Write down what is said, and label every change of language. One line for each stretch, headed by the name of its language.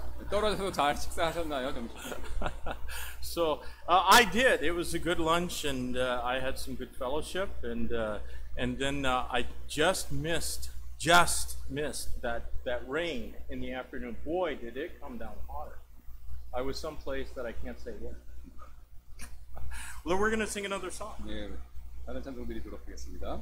Korean: 떨어져서 잘 식사하셨나요, 점심?
English: So I did. It was a good lunch, and I had some good fellowship, and then I just missed that rain in the afternoon. Boy, did it come down hard! I was someplace that I can't say what. Lord, we're going to sing another song.
Korean: 네, 다른 찬송들이 들어보겠습니다.